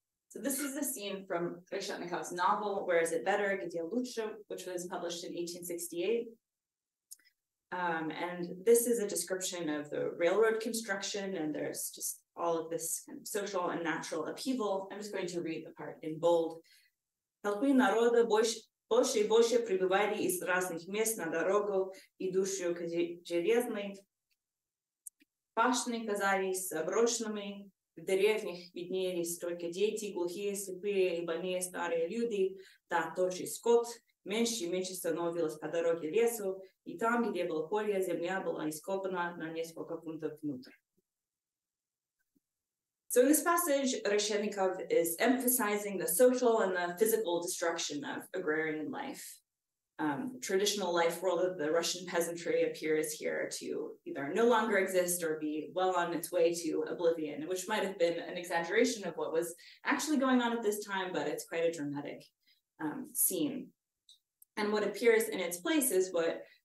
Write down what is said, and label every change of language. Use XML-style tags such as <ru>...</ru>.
<en>So this is a scene from Reshetnikov's novel, Where Is It Better, Gdzie Lutsche, which was published in 1868. And this is a description of the railroad construction, and there's just all of this kind of social and natural upheaval. I'm just going to read the part in bold.</en> <ru>Толпи народа больше и больше прибывали из разных мест на дорогу, идущую к железной. Пашни казались заброшенными. В деревнях виднелись только дети, глухие, слепые и больные старые люди, да, тоже скот, меньше и меньше становилось по дороге лесу, и там, где было поле, земля была ископана на несколько фунтов внутрь.</ru> <en>So in this passage, Reshetnikov is emphasizing the social and the physical destruction of agrarian life. The traditional life world of the Russian peasantry appears here to either no longer exist or be well on its way to oblivion, which might have been an exaggeration of what was actually going on at this time, but it's quite a dramatic scene. And what appears in its place is what</en>